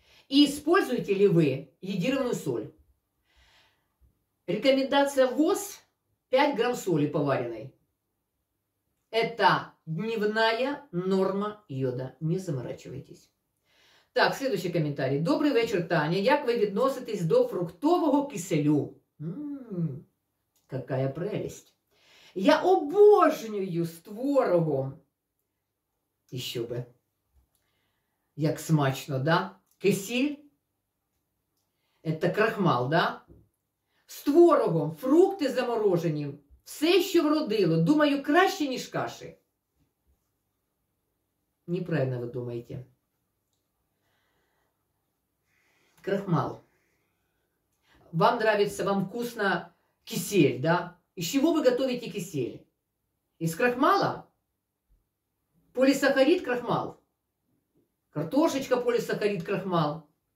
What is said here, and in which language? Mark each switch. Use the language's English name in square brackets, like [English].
[Russian] И используете ли вы йодированную соль? Рекомендация ВОЗ 5 грамм соли поваренной. Это дневная норма йода. Не заморачивайтесь. Так, следующий комментарий. Добрый вечер, Таня. [Ukrainian] Як ви відноситесь до фруктового киселю? [Russian] Какая прелесть. [Ukrainian] Я обожнюю з творогом. [Russian] Еще бы. [Ukrainian] Як смачно, [Russian] да? Кисель. Это крахмал, да? [Ukrainian] З творогом, фрукти заморожені. Все, що вродило. Думаю, краще, ніж каші. Неправильно ви думаєте. [Russian] Крахмал. Вам нравится, вам вкусно кисель, да? Из чего вы готовите кисель? Из крахмала? Полисахарид, крахмал? Картошечка, полисахарид, крахмал?